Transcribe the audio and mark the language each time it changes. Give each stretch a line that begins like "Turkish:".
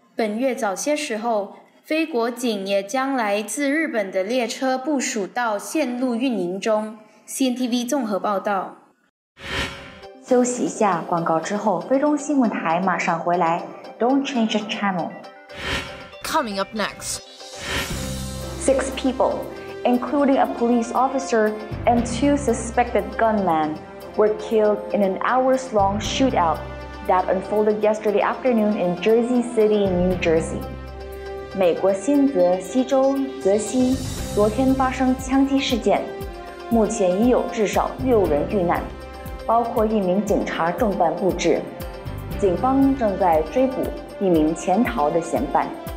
Chinese: 本月早些时候，非国警也将来自日本的列车部署到线路运营中。 CNTV 综合报道。休息一下，广告之后菲中新闻台马上回来。
English: Don't change the channel. Coming up next. 6 people, including a police officer and 2 suspected gunmen, were killed in an hours-long shootout that unfolded yesterday afternoon in Jersey City, New Jersey.
Chinese: 美国新泽西州泽西昨天发生枪击事件，目前已有至少6人遇难，包括一名警察重办不治。警方正在追捕一名潜逃的嫌犯。